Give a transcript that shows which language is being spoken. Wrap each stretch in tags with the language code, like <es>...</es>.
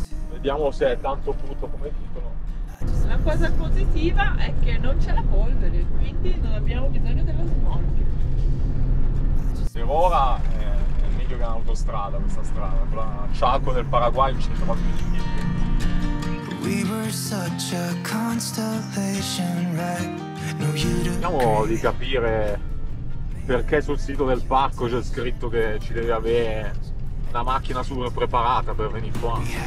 <it>Vediamo se è tanto brutto come dicono. La cosa positiva è che non c'è la polvere, quindi non abbiamo bisogno dello smog. Per ora è meglio che un'autostrada questa strada. Con la Charco del Paraguay ci sembra più difficile.</it> <en>We were such a constellation wreck.</en> <it>Cerchiamo di capire perché sul sito del parco c'è scritto che ci deve avere una macchina super preparata per venire qua.</it>